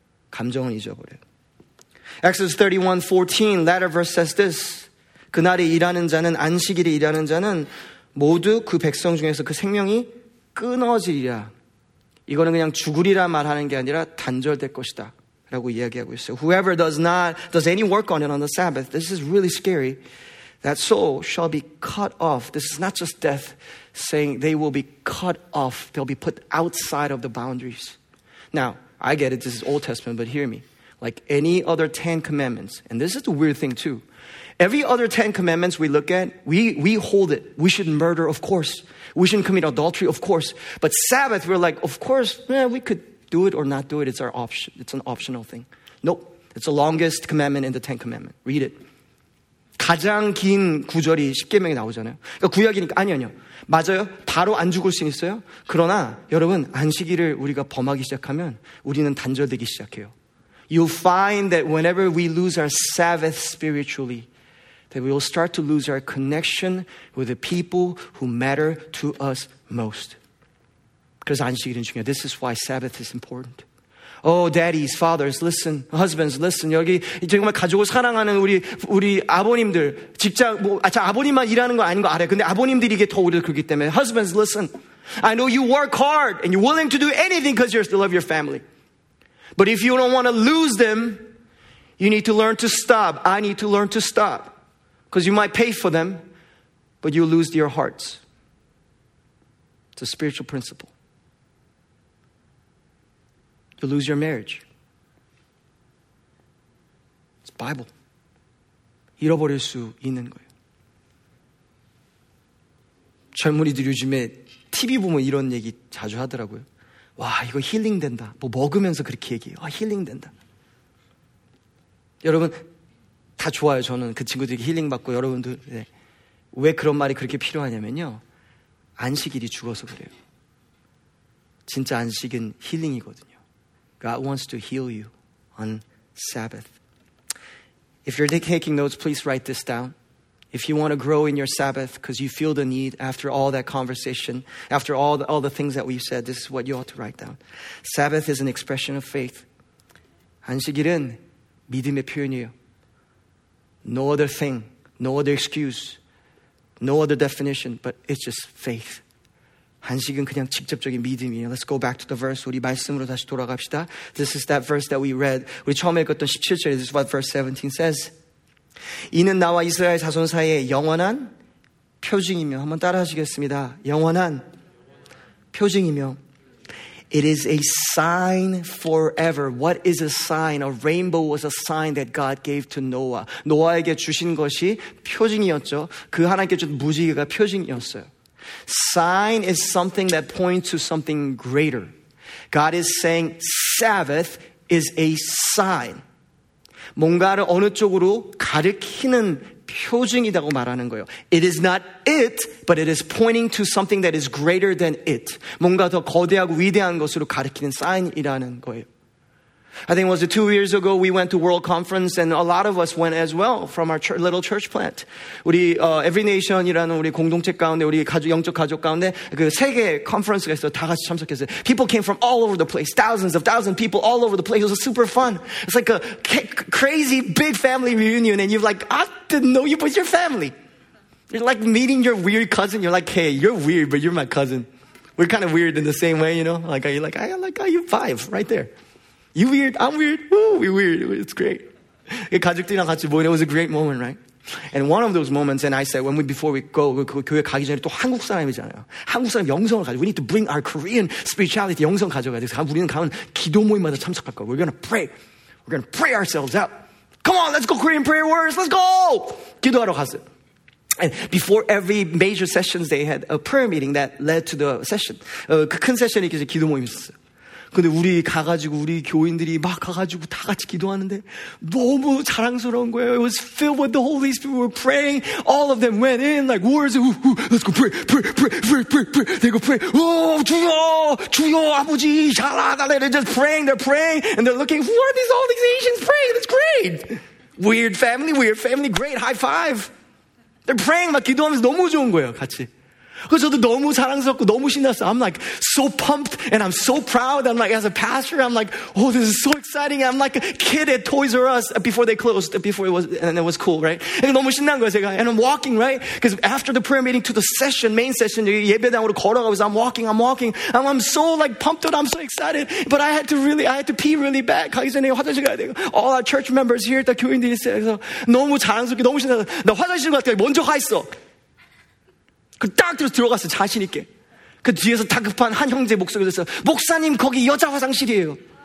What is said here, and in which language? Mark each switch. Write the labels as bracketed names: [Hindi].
[Korean] 감정은 잊어버려요. [English] Exodus 31:14, latter verse says this. [Korean] 그날에 일하는 자는, 안식일에 일하는 자는 모두 그 백성 중에서 그 생명이 끊어지리라. 이거는 그냥 죽으리라 말하는 게 아니라 단절될 것이다. 라고 이야기하고 있어요. [English] Whoever does any work on it on the Sabbath, this is really scary, that soul shall be cut off. This is not just death saying they will be cut off. They'll be put outside of the boundaries. Now, I get it. This is Old Testament, but hear me. Like any other 10 commandments, and this is the weird thing too. Every other 10 commandments we look at, we hold it. We shouldn't murder, of course. We shouldn't commit adultery, of course. But Sabbath, we're like, of course, eh, we could do it or not do it. It's our option. It's an optional thing. Nope. It's the longest commandment in the 10 commandments. Read it. [Korean] 가장 긴 구절이 십계명에 나오잖아요. 그러니까 구약이니까 아니요. 맞아요. 바로 안 죽을 수 있어요. 그러나 여러분 안식일을 우리가 범하기 시작하면 우리는 단절되기 시작해요. [English] You'll find that whenever we lose our Sabbath spiritually, that we will start to lose our connection with the people who matter to us most. [Korean] 그래서 안식일은 중요해요. [English] This is why Sabbath is important. Oh, daddies, fathers, listen. Husbands, listen. [Korean] 여기 정말 가족을 사랑하는 우리 아버님들, 직장 뭐 아, 자, 아버님만 일하는 거 아닌 거 알아요. 근데 아버님들이 이게 더 오히려 그렇기 때문에. [English] Husbands, listen. I know you work hard and you're willing to do anything because you still love your family. But if you don't want to lose them, you need to learn to stop. I need to learn to stop. Because you might pay for them, but you'll lose your hearts. It's a spiritual principle. You'll lose your marriage. It's Bible. [Korean] 잃어버릴 수 있는 거예요. 젊은이들 요즘에 TV 보면 이런 얘기 자주 하더라고요. 와, 이거 힐링된다. 뭐 먹으면서 그렇게 얘기해요. 아, 힐링된다. 여러분, 다 좋아요. 저는 그 친구들에게 힐링받고 여러분들 네. 왜 그런 말이 그렇게 필요하냐면요. 안식일이 죽어서 그래요. 진짜 안식은 힐링이거든요. [English] God wants to heal you on Sabbath. If you're taking notes, please write this down. If you want to grow in your Sabbath because you feel the need after all that conversation, after all the things that we've said, this is what you ought to write down. Sabbath is an expression of faith. [Korean] 안식일은 믿음의 표현이에요. [English] No other thing, no other excuse, no other definition, but it's just faith. [Korean] 안식은 그냥 직접적인 믿음이에요. [English] Let's go back to the verse. [Korean] 우리 말씀으로 다시 돌아갑시다. [English] This is that verse that we read. [Korean] 우리 처음 읽었던 17절에 [English] this is what verse 17 says. [Korean] 이는 나와 이스라엘 자손 사이에 영원한 표징이며 한번 따라하시겠습니다. 영원한 표징이며 [English] It is a sign forever. What is a sign? A rainbow was a sign that God gave to Noah. [Korean] 노아에게 주신 것이 표징이었죠. 그 하나님께 준 무지개가 표징이었어요. [English] Sign is something that points to something greater. God is saying Sabbath is a sign. [Korean] 뭔가를 어느 쪽으로 가리키는 표징이라고 말하는 거예요. [English] It is not it, but it is pointing to something that is greater than it. [Korean] 뭔가 더 거대하고 위대한 것으로 가리키는 sign이라는 거예요. [English] I think it was 2 years ago we went to World Conference and a lot of us went as well from our little church plant. [Korean] 우리 Every Nation이라는 우리 공동체 가운데 우리 가족 영적 가족 가운데 그 세계 컨퍼런스가 있어 다 같이 참석했어요. [English] People came from all over the place. Thousands of thousands of people all over the place. It was super fun. It's like a crazy big family reunion and you're like, I didn't know you was your family. You're like meeting your weird cousin. You're like, hey, you're weird, but you're my cousin. We're kind of weird in the same way, you know? Like, are you like, you vibe right there. You weird, I'm weird, woo, we weird, it's great. [Korean] 가족들이랑 같이 모인, [English] it was a great moment, right? And one of those moments, and I said, before we go, [Korean] 교회 가기 전에 또 한국 사람이잖아요. 한국 사람 영성을 가져. [English] We need to bring our Korean spirituality, [Korean] 영성 가져가야 돼. 그래서 우리는 가면 기도 모임마다 참석할 거야. [English] We're gonna pray ourselves out. Come on, let's go Korean prayer words, let's go! [Korean] 기도하러 갔어요. [English] And before every major sessions, they had a prayer meeting that led to the session. [Korean] 그 큰 세션이 이제 기도 모임이 있었어요. 근데 우리 가가지고 우리 교인들이 막 가가지고 다 같이 기도하는데 너무 자랑스러운 거예요. [English] It was filled with the Holy Spirit. We were praying. All of them went in like words. Let's go pray, pray, pray, pray, pray, pray. They go pray. [Korean] Oh, 주여, 주여, 아버지, 잘하다. [English] They're just praying. They're praying. And they're looking. Who are these all these Asians praying? It's great. Weird family, great. High five. They're praying. [Korean] 막 기도하면서 너무 좋은 거예요, 같이. 그래서 저도 너무 사랑스럽고 너무 신났어. [English] I'm like so pumped and I'm so proud. I'm like as a pastor, I'm like, oh, this is so exciting. I'm like a kid at Toys R Us before they closed, before it was, and it was cool, right? And [Korean] 너무 신난 거예요, 제가. [English] And I'm walking, right? Because after the prayer meeting to the session, main session, [Korean] 예배당으로 걸어가고 있어. [English] I'm walking. I'm so like pumped out. I'm so excited. But I had to pee really bad. [Korean] 가기 전에 화장실 가야 되고. [English] All our church members here, [Korean] 다 교인들이 있어요. 너무 자랑스럽게 너무 신났어. 나 화장실 갔다가 먼저 가 있어. 그 딱 들어갔어 자신 있게. 그 뒤에서 다급한 한 형제 목소리가 들렸어요. 목사님 거기 여자 화장실이에요.